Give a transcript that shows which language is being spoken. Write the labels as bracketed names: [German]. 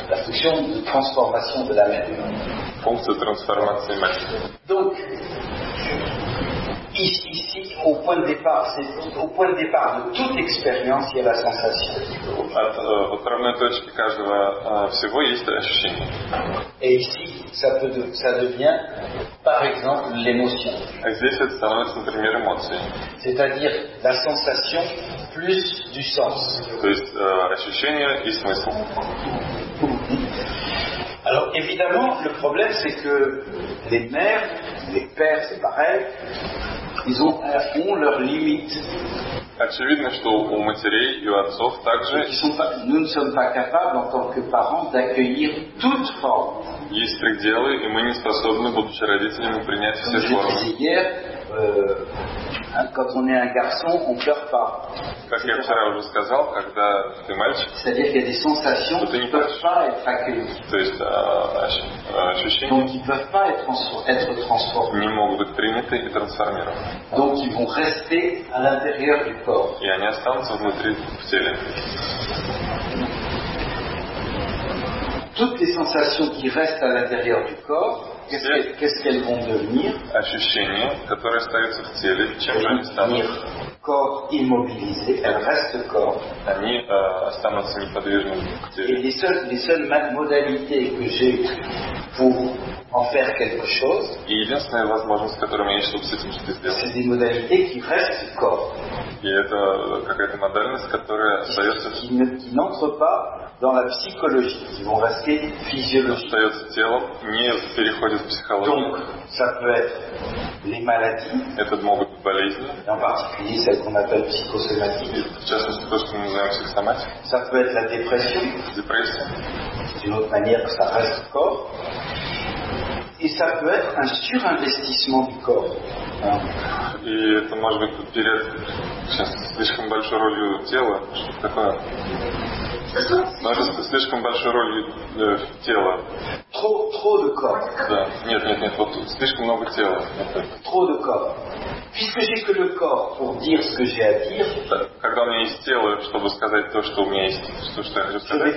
[French] La fonction de transformation de la mère. [Russian] Функция трансформации матери. [French] Donc, ici, au point de départ, c'est au point de départ de toute expérience, il y a la sensation. [Russian] От отправной точки каждого всего есть ощущение. [French] Et ici, ça devient, par exemple, l'émotion. [Russian] А здесь это становится, например, эмоцией. [French] C'est-à-dire la sensation plus du sens. [Russian] То есть ощущение и смысл. [French] Alors évidemment, le problème, c'est que les mères, les pères, c'est pareil, ils ont leurs limites. [Russian] Очевидно, что у матерей и у отцов также [French] nous ne sommes pas capables, en tant que parents, d'accueillir toute forme. [Russian] Есть пределы, и мы не способны, будучи родителями, принять все формы. [French] Quand on est un garçon, on pleure pas. [Russian] Как я вчера уже сказал, когда ты мальчик, [French] c'est-à-dire qu'il y a des sensations qui ne peuvent pas être accueillies. [Russian] То есть ощущения. [French] Donc ils ne peuvent pas être transformés. [Russian] Не могут быть приняты и трансформированы. [French] Donc ils vont rester à l'intérieur du corps. [Russian] И они останутся внутри в теле. [French] Toutes les sensations qui restent à l'intérieur du corps. Qu'est-ce qu'elles vont devenir? [Russian] Ощущения, которые остаются в теле, чем же они станут? [French] Corps immobilisé, elles restent corps. [Russian] Они останутся неподвижными в теле. [French] Et les seules modalités que j'ai pour en faire quelque chose. [Russian] И единственная возможность, которую я чтобы с этим что-то сделать. [French] C'est des modalités qui restent corps. [Russian] И это какая-то модальность, которая остается. [French] Qui n'entre pas dans la psychologie, qui vont rester physiologiques. [Russian] Остается телом, не переходит в психологию. [French] Donc, ça peut être les maladies. [Russian] Это могут быть болезни. [French] Et en particulier celles qu'on appelle psychosomatiques. [Russian] В частности, то, что мы называем психосоматикой. [French] Ça peut être la dépression. [Russian] Депрессия. [French] C'est une autre manière que ça reste corps. Et ça peut être un surinvestissement du corps. [Russian] И это может быть перед сейчас слишком большой ролью тела, что-то такое. Может быть слишком большой ролью тела. [French] Trop de corps. [Russian] Да, нет, вот тут слишком много тела. [French] Trop de corps. Puisque j'ai que le corps pour dire ce que j'ai à dire. [Russian] Когда у меня есть тело, чтобы сказать то, что у меня есть, то, что я хочу сказать.